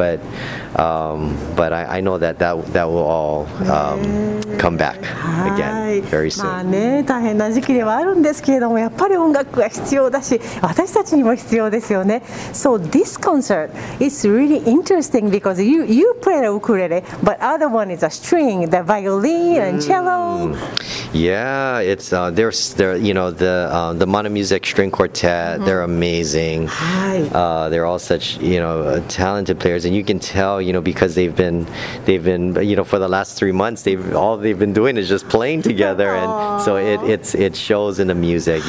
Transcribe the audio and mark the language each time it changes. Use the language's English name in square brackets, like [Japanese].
[English] But I know that will all come back again very soon. [Japanese] まあね、大変な時期ではあるんですけれども、やっぱり音楽は必要だし、私たちにも必要ですよね。 [English] So this concert is really interesting because you play the ukulele, but other one is a string, the violin and cello. Yeah, it's there's you know, the Mono Music String Quartet. Mm-hmm. They're amazing. They're all such, you know, talented players, and you can tell, you know, because they've been you know, for the last 3 months, they've been doing is just playing together, and so it shows in the music.